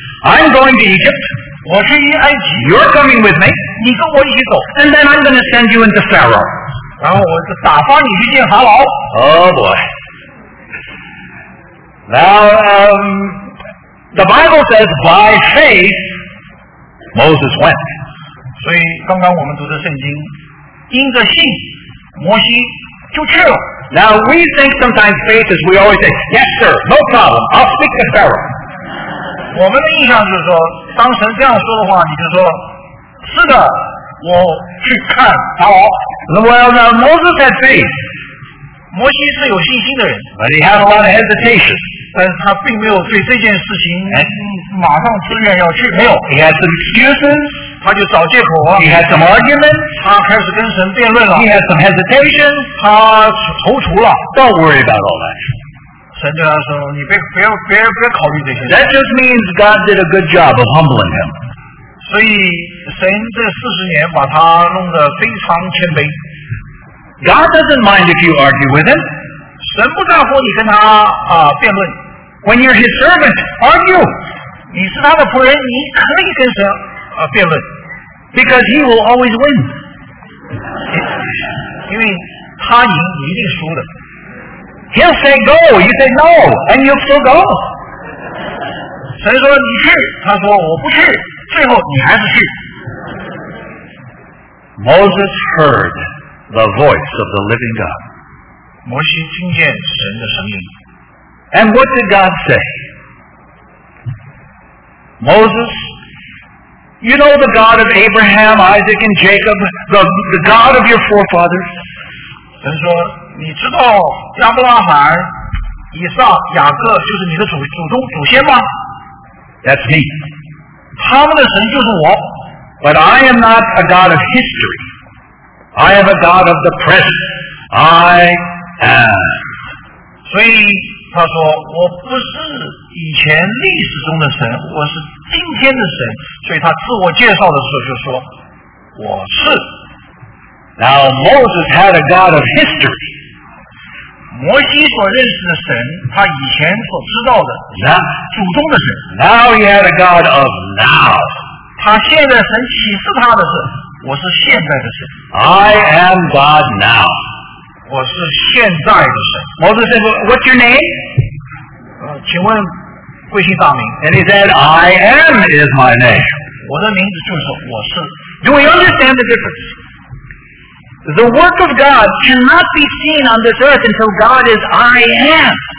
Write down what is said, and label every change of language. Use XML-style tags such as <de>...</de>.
<en>I'm going to Egypt.</en> <zh>我去埃及。</zh> <en>You're coming with me.</en> <zh>你跟我一起走。</zh> <en>And then I'm going to send you into Pharaoh.</en> <zh>然后我打发你去见法老。</zh> <en>Oh boy. Now, the Bible says, by faith, Moses went.</en> <zh>所以刚刚我们读的圣经，因着信，摩西就去了。</zh> <en>Now we think sometimes faith is we always say, yes sir, no problem, I'll speak to Pharaoh.</en> <zh>我们的印象就是说，当神这样说的话，你就说，是的，我去看法老。</zh> <en>Well, now Moses had faith.</en> <zh>摩西是有信心的人。</zh> <en>But he had a lot of hesitation.</en> <zh>但是他并没有对这件事情马上自愿要去，没有。</zh> <en>He had some excuses.</en> <zh>他就找借口啊。</zh> <en>He had some arguments.</en> <zh>他开始跟神辩论了。</zh> <en>He had some hesitation.</en> <zh>他踌躇了。</zh> <en>Don't worry about all that.</en> <zh>神就说，你别考虑这些。</zh> <en>That just means God did a good job of humbling him.</en> <zh>所以神这四十年把他弄得非常谦卑。</zh> <en>God doesn't mind if you argue with him.</en> <zh>神不在乎你跟他辩论。</zh> <en>When you're his servant, argue.</en> <zh>你是他的仆人，你可以跟神。辩论</zh> <en>because he will always win.</en> <zh>因为他赢你一定输的。</zh> <en>He'll say go, you say no, and you'll still go.</en> <zh>神说你去，他说我不去，最后你还是去。</zh> <en>Moses heard the voice of the living God.</en> <zh>摩西听见神的声音。</zh> <en>And what did God say? Moses,You know the God of Abraham, Isaac, and Jacob, the God of your forefathers.</en> <zh>神说，你知道亚伯拉罕、以撒、雅各就是你的祖先吗？</zh> <en>That's me.</en> <zh>他们的神就是我。</zh> <en>But I am not a God of history. I am a God of the present. I am.</en> <zh>所以他说, 我不是以前历史中的神, 我是今天的神。所以他自我介绍的时候就说, 我是。</zh> <en>Now Moses had a God of history.</en> <zh>摩西所认识的神, 他以前所知道的,</zh> <en>now,</en> <zh>祖宗的神。</zh> <en>Now he had a God of now.</en> <zh>他现在神启示他的是, 我是现在的神。</zh> <en>I am God now.</en> <zh>我是现在的神。</zh> <en>Moses said, what's your name?</en> <zh>请问贵姓大名?</zh> <en>And he said, I am is my name.</en> <zh>我的名字就是我是。</zh> <en>Do we understand the difference? The work of God cannot be seen on this earth until God is I am.</en>